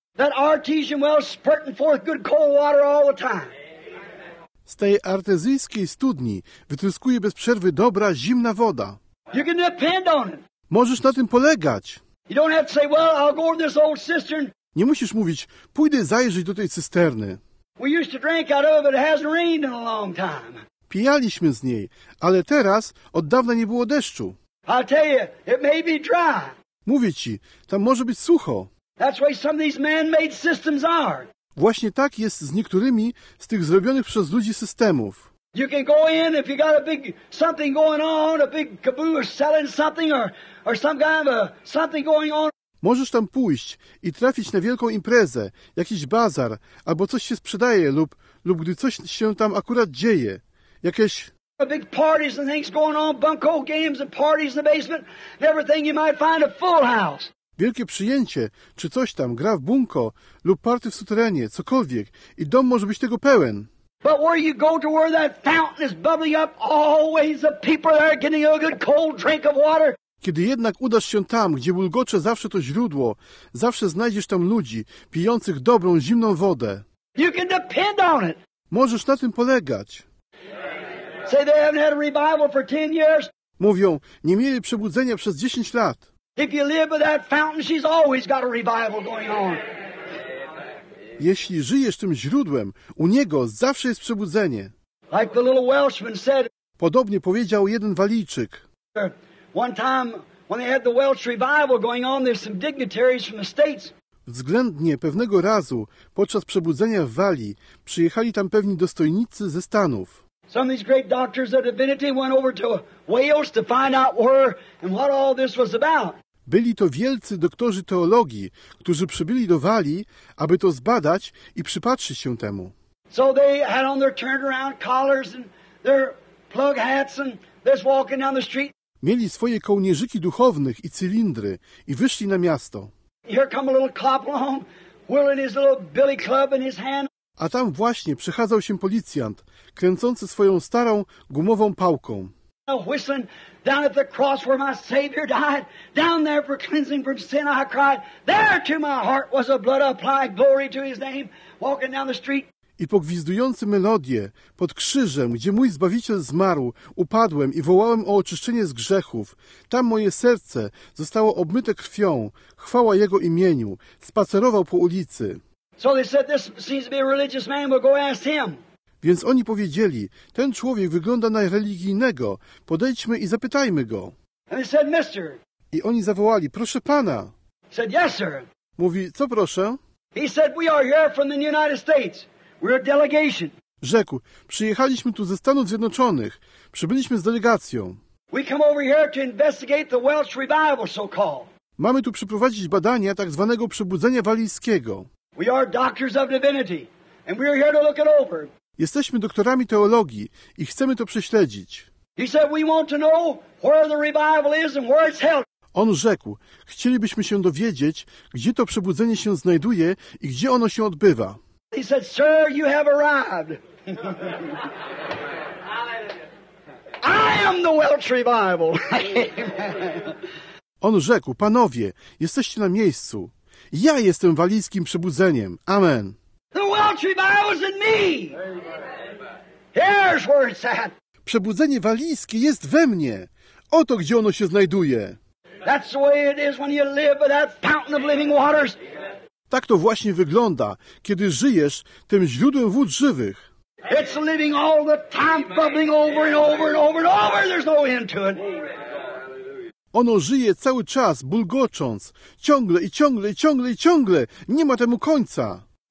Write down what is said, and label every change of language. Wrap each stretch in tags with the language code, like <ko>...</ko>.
<en>That artesian well spurting forth good cold water all the time.</en> <pl>Z tej artezyjskiej studni wytryskuje bez przerwy dobra, zimna woda.</pl> <en>You can depend on it.</en> <pl>Możesz na tym polegać.</pl> <en>You don't have to say, well, I'll go to this old cistern.</en> <pl>Nie musisz mówić, pójdę zajrzeć do tej cysterny.</pl> <en>We used to drink out of it, but it hasn't rained in a long time.</en> <pl>Pijaliśmy z niej, ale teraz od dawna nie było deszczu.</pl> <en>I tell you, it may be dry.</en> <pl>Mówię ci, tam może być sucho.</pl> <en>That's why some of these man-made systems are.</en> <pl>Właśnie tak jest z niektórymi z tych zrobionych przez ludzi systemów.</pl> <en>You can go in if you got a big something going on, a big caboose selling something or some kind of a, something going on.</en> <pl>Możesz tam pójść i trafić na wielką imprezę, jakiś bazar, albo coś się sprzedaje, lub gdy coś się tam akurat dzieje. Jakieś...</pl> <en>A big parties and things going on, bunko games and parties in the basement, and everything you might find a full house.</en> <pl>Wielkie przyjęcie, czy coś tam, gra w bunko, lub party w suterenie, cokolwiek, i dom może być tego pełen.</pl> <en>But where you go to where that fountain is bubbling up, always the people there getting a good cold drink of water.</en> <pl>Kiedy jednak udasz się tam, gdzie bulgocze zawsze to źródło, zawsze znajdziesz tam ludzi, pijących dobrą, zimną wodę.</pl> <en>You can depend on it.</en> <pl>Możesz na tym polegać.</pl> <en>Say they haven't had a revival for 10 years.</en> <pl>Mówią, nie mieli przebudzenia przez 10 lat.</pl> <en>If you live with that fountain, she's always got a revival going on.</en> <pl>Jeśli żyjesz tym źródłem, u niego zawsze jest przebudzenie.</pl> <en>Like the little Welshman said,</en> <pl>podobnie powiedział jeden Walijczyk.</pl> <en>One time when they had the Welsh revival going on, there's some dignitaries from the States.</en> <pl>Względnie pewnego razu podczas przebudzenia w Walii przyjechali tam pewni dostojnicy ze Stanów.</pl> <en>Some of these great doctors of divinity went over to Wales to find out where and what all this was about.</en> <pl>Byli to wielcy doktorzy teologii, którzy przybyli do Walii, aby to zbadać i przypatrzyć się temu.</pl> <en>So they had on their turnaround collars and their plug hats and this walking down the street.</en> <pl>Mieli swoje kołnierzyki duchownych i cylindry i wyszli na miasto.</pl> <en>Here come a little cop along, wheeling his little billy club in his hand.</en> <pl>A tam właśnie przechadzał się policjant, kręcący swoją starą gumową pałką.</pl> <en>Whistling down at the cross where my Savior died, down there for cleansing from sin, I cried. There to my heart was a blood applied, glory to His name. Walking down the street.</en> <pl>I pogwizdujący melodię pod krzyżem, gdzie mój Zbawiciel zmarł, upadłem i wołałem o oczyszczenie z grzechów. Tam moje serce zostało obmyte krwią. Chwała Jego imieniu. Spacerował po ulicy.</pl> <en>So they said, this seems to be a religious man, we'll go ask him.</en> <pl>Więc oni powiedzieli, ten człowiek wygląda na religijnego. Podejdźmy i zapytajmy go.</pl> <en>And they said, mister.</en> <pl>I oni zawołali, proszę pana.</pl> <en>Said, yes, sir.</en> <pl>Mówi, co proszę?</pl> <en>He said, we are here from the United States. We're a delegation.</en> <pl>Rzekł, przyjechaliśmy tu ze Stanów Zjednoczonych. Przybyliśmy z delegacją.</pl> <en>We come over here to investigate the Welsh revival, so called.</en> <pl>Mamy tu przeprowadzić badania tak zwanego przebudzenia walijskiego.</pl> <en>We are doctors of divinity, and we are here to look it over.</en> <pl>Jesteśmy doktorami teologii i chcemy to prześledzić.</pl> <en>He said, we want to know where the revival is and where it's held.</en> <pl>On rzekł, chcielibyśmy się dowiedzieć, gdzie to przebudzenie się znajduje i gdzie ono się odbywa.</pl> <en>He said, sir, you have arrived. I am the Welsh revival.</en> <pl>On rzekł, panowie, jesteście na miejscu. Ja jestem walijskim przebudzeniem.</pl> <en>Amen. The Welsh revival is in me. Here's where it's at.</en> <pl>Przebudzenie walijskie jest we mnie. Oto gdzie ono się znajduje.</pl> <en>That's the way it is when you live by that fountain of living waters.</en> <pl>Tak to właśnie wygląda, kiedy żyjesz tym źródłem wód żywych.</pl> <en>It's living all the time, bubbling over and over and over and over. There's no end to it.</en> <pl>Ono żyje cały czas, bulgocząc, ciągle i ciągle i ciągle i ciągle. Nie ma temu końca.</pl>